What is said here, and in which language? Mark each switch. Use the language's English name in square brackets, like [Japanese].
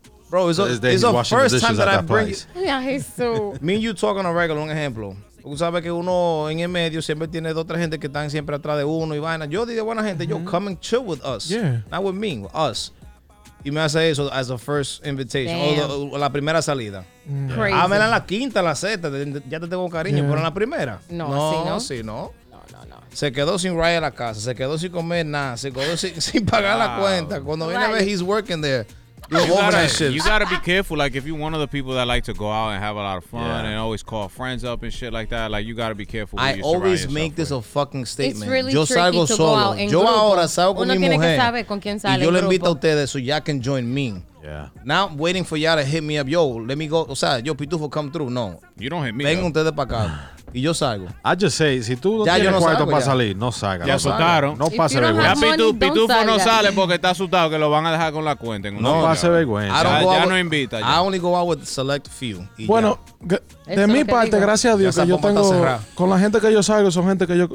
[English] Bro, it's the first time that I bring it. Yeah, he's so. Me and you talking on regular, [Spanish] un ejemplo. Tú sabes que uno en el medio siempre tiene dos o tres gente que están siempre atrás de uno y vaina. Yo dije, buena gente, yo, [English] come and chill with us. Yeah. Not with me, with us. [Spanish] Y me hace eso [English] as a first invitation. Damn. [Spanish] O la primera salida. [English] Crazy. [Spanish] Hámela en la quinta, la sexta. Ya te tengo cariño. Yeah. Pero en la primera. No. Se quedó sin ride a la casa. Se quedó sin comer nada. Se quedó sin pagar la cuenta. Cuando viene a ver, [English] he's working there. You gotta be careful. Like, if you're one of the people that like to go out and have a lot of fun and always call friends up and shit like that, like, you gotta be careful. I always make this a fucking statement. It's really tricky to go out. [Spanish] Yo ahora salgo con mi mujer. Y yo le invito a ustedes [English] so y'all can join me. Yeah. Now I'm waiting for y'all to hit me up. Yo, let me go. [Spanish] O sea, [English] yo, Pitufo, come through. No. You don't hit me. [Spanish] Vengan ustedes para acá. Y yo salgo. [English] I just say, [Spanish] si tú no tienes cuarto para salir, no salga. Ya soltaron. No pase vergüenza. Ya Pitufo no sale porque está asustado que lo van a dejar con la cuenta. No pase vergüenza. Ya no invita. [English] I only go out with select few. [Spanish] Bueno, de mi parte, gracias a Dios que yo tengo... Con la gente que yo salgo, son gente que yo...